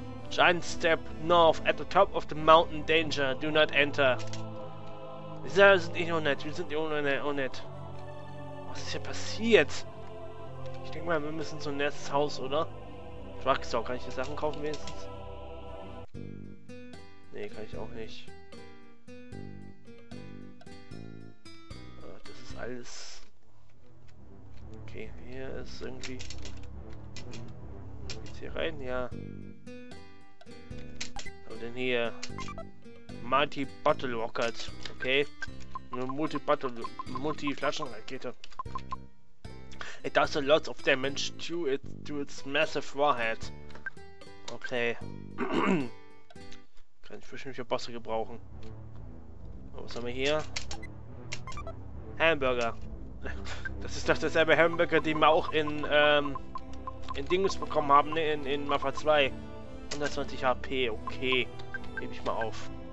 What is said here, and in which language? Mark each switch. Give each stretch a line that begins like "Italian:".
English: Giant Step North at the top of the mountain danger. Do not enter.
German: Wir sind nicht unnett, wir sind unnett. Was ist hier passiert? Ich denke mal, wir müssen zum nächsten Haus, oder? Drugstore, kann ich hier Sachen kaufen wenigstens? Nee, kann ich auch nicht. Ach, das ist alles. Okay, hier ist irgendwie. Geht's hier rein? Ja. Aber denn hier?
English: Multi Bottle Rocket.
German: Okay, eine Multi-Flaschenrakete.
English: It does a lot of damage to its massive warhead. Okay.
German: Kann ich bestimmt für Bosse gebrauchen. Was haben wir hier? Hamburger. Das ist doch derselbe Hamburger, den wir auch in Dingus bekommen haben, ne? In Mafia 2. 120 HP, okay. Gebe ich mal auf.